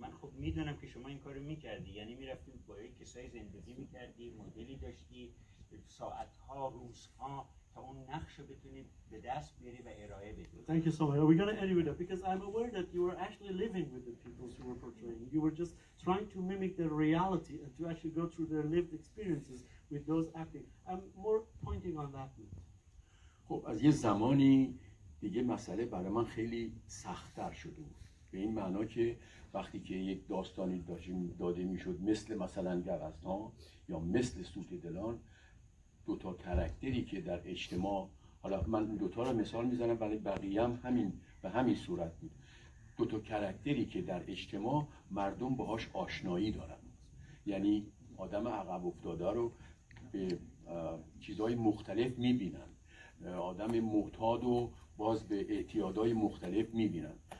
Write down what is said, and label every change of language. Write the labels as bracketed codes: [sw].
[fa] من خب میدونم که شما این کارو میکردی، یعنی میرفتی با یک کسای زندگی میکردی، مدلی داشتی، ساعتها، روزها، تا اون نقشو بتونی به دست بیاری و ارائه بدی. [en] Thank you so much. Are we going to end with that? Because I'm aware that you were actually living with the people who were portraying. You were just trying to mimic their reality and to actually go through their lived experiences with those acting. I'm more pointing on that note. [fa] خب از یه زمانی دیگه مسئله برای من خیلی سخت‌تر شده بود به این معنا که وقتی که یک داستانی داده میشد مثل مثلا گوزنان یا مثل سوت دلان، دوتا کرکتری که در اجتماع، حالا من دوتا رو مثال میزنم ولی بقیه هم همین به همین صورت بود، دوتا کرکتری که در اجتماع مردم باهاش آشنایی دارن، یعنی آدم عقب افتاده رو به چیزهای مختلف میبینن، آدم معتاد و باز به اعتیادهای مختلف میبینن.